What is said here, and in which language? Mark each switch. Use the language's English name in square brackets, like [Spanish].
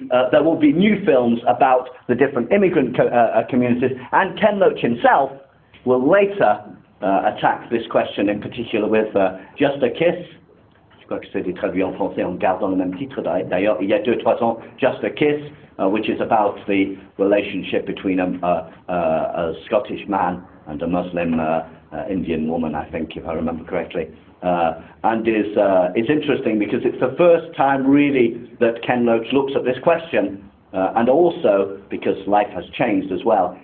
[English] There will be new films about the different immigrant communities. And Ken Loach himself will later attack this question, in particular with Just a Kiss. [French] Je crois que c'est traduit en français en gardant le même titre d'ailleurs. Il y a deux, trois ans, [English] Just a Kiss, which is about the relationship between a Scottish man and a Muslim Indian woman, I think, if I remember correctly. And is interesting because it's the first time really that Ken Loach looks at this question, and also because life has changed as well.